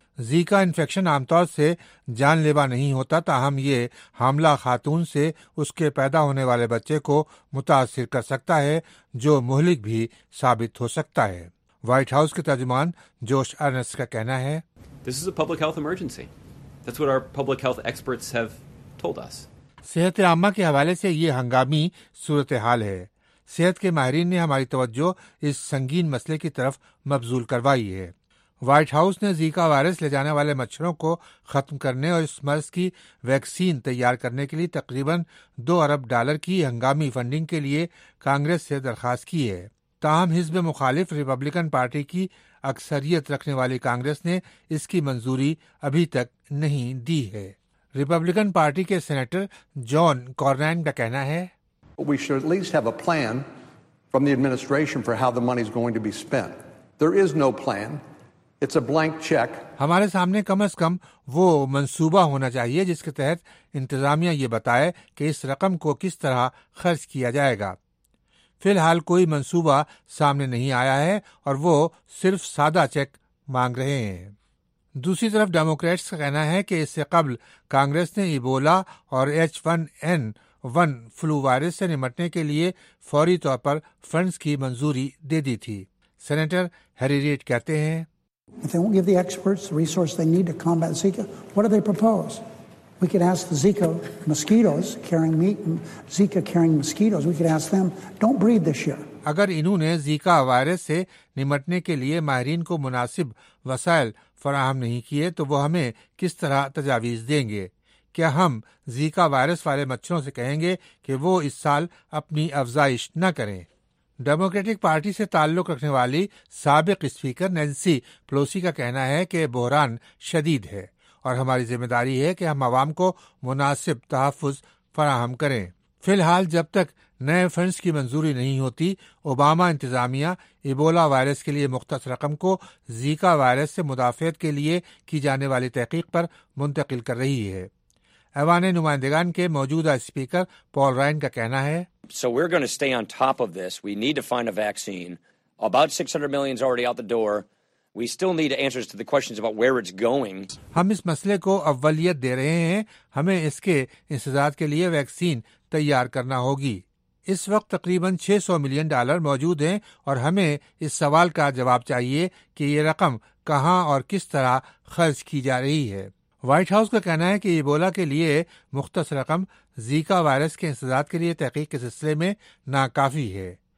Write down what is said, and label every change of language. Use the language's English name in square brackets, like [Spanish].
[Urdu] Zika infection عام طور سے جان لیوا نہیں ہوتا, تاہم یہ حاملہ خاتون سے اس کے پیدا ہونے والے بچے کو متاثر کر سکتا ہے, جو مہلک بھی ثابت ہو سکتا ہے. وائٹ ہاؤس کے ترجمان جوش ارنس کا کہنا ہے, [English] This is a public health emergency. That's what our public health experts have told us. [Urdu] صحت عامہ کے حوالے سے یہ ہنگامی صورتحال ہے. صحت کے ماہرین نے ہماری توجہ اس سنگین مسئلے کی طرف مبذول کروائی ہے. وائٹ ہاؤس نے زیکا وائرس لے جانے والے مچھروں کو ختم کرنے اور اس مرض کی ویکسین تیار کرنے کے لیے تقریباً $2 ارب کی ہنگامی فنڈنگ کے لیے کانگریس سے درخواست کی ہے. تاہم حزب مخالف ریپبلکن پارٹی کی اکثریت رکھنے والی کانگریس نے اس کی منظوری ابھی تک نہیں دی ہے. ریپبلکن پارٹی کے سینیٹر جان کارنائن کا کہنا ہے, [English] We should at least have a plan from the administration for how the money is going to be spent. There is no plan. It's a blank check. [Urdu] ہمارے سامنے کم از کم وہ منصوبہ ہونا چاہیے جس کے تحت انتظامیہ یہ بتائے کہ اس رقم کو کس طرح خرچ کیا جائے گا. فی الحال کوئی منصوبہ سامنے نہیں آیا ہے اور وہ صرف سادہ چیک مانگ رہے ہیں. دوسری طرف ڈیموکریٹس کا کہنا ہے کہ اس سے قبل کانگریس نے ایبولا اور H1N1 فلو وائرس سے نمٹنے کے لیے فوری طور پر فنڈز کی منظوری دے دی تھی. سینیٹر ہیری ریڈ کہتے ہیں, [English] If they won't give the experts the resource they need to combat Zika, what do they propose? We could ask the Zika mosquitoes carrying meat and Zika carrying mosquitoes, we could ask them, don't breed this year. [Urdu] اگر انہوں نے Zika virus سے نمٹنے کے لیے ماہرین کو مناسب وسائل فراہم نہیں کیے تو وہ ہمیں کس طرح تجاویز دیں گے؟ کیا ہم زیکا وائرس والے مچھروں سے کہیں گے کہ وہ اس سال اپنی افزائش نہ کریں؟ ڈیموکریٹک پارٹی سے تعلق رکھنے والی سابق اسپیکر نینسی پلوسی کا کہنا ہے کہ بحران شدید ہے اور ہماری ذمہ داری ہے کہ ہم عوام کو مناسب تحفظ فراہم کریں. فی الحال جب تک نئے فنڈز کی منظوری نہیں ہوتی، اوباما انتظامیہ ایبولا وائرس کے لیے مختص رقم کو زیکا وائرس سے مدافعت کے لیے کی جانے والی تحقیق پر منتقل کر رہی ہے۔ ایوان نمائندگان کے موجودہ اسپیکر پال رائن کا کہنا ہے، [English] So we're going to stay on top of this. We need to find a vaccine. About 600 million is already out the door. We still need answers to the questions about where it's going. [Urdu] ہم اس مسئلے کو اولویت دے رہے ہیں، ہمیں اس کے انسداد کے لیے ویکسین تیار کرنا ہوگی۔ اس وقت تقریباً 600 ملین ڈالر موجود ہیں اور ہمیں اس سوال کا جواب چاہیے کہ یہ رقم کہاں اور کس طرح خرچ کی جا رہی ہے۔ وائٹ ہاؤس کا کہنا ہے کہ ایبولا کے لیے مختص رقم زیکا وائرس کے انسداد کے لیے تحقیق کے سلسلے میں ناکافی ہے۔